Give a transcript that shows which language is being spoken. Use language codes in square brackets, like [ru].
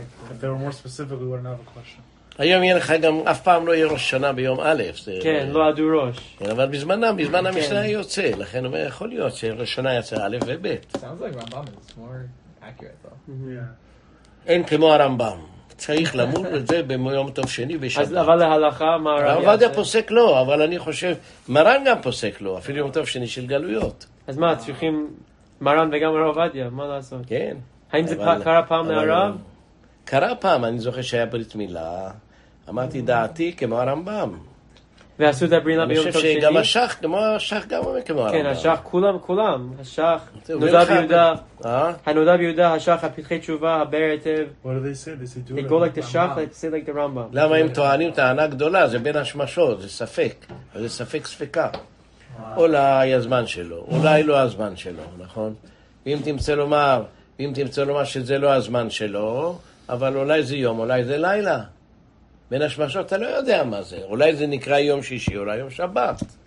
[en] If they were more specific, we wouldn't have a question. [he] היום יהיה לך גם, אף פעם לא יהיה ראש שנה ביום א', זה... כן, לא עדו ראש. כן, אבל בזמן המשנה יוצא, לכן הוא יכול להיות שראש שנה יצא א' וב'. [en] Sounds like Rambam is more accurate though. [he] Yeah. אין כמו הרמב״ם. צריך למול את זה ביום טוב שני בשבת. אבל להלכה, מה הרב יעשה? עובדיה פוסק לא, אבל אני חושב, מרן גם פוסק לא, אפילו יום טוב שני של גלויות. אז מה, צריכים מרן וגם הרב עובדיה, מה לעשות? כן. האם זה קרה פעם להרב? קרה פעם, אני זוכר שהיה ברית מילה, אמרתי דעתי כמו הרמב״ם. ועשו את הברינה ביום טוב שני. גם השח, גם השח גם אומר כמו הרמב״ם. כן, השח כולם, כולם. השח, נודע ביהודה, הנודע ביהודה, השח, הפתחי תשובה, הבר היטב. [en] What do they say? They say like the רמב״ם. [he] למה הם טוענים טענה גדולה? זה בין השמשות, זה ספק. זה ספק ספקה. אולי הזמן שלו, אולי לא הזמן שלו, נכון? ואם תמצא לומר, ואם תמצא לומר שזה לא הזמן שלו, אבל אולי זה יום, אולי זה לילה. בין השמשות אתה לא יודע מה זה. אולי זה נקרא יום שישי, אולי יום שבת.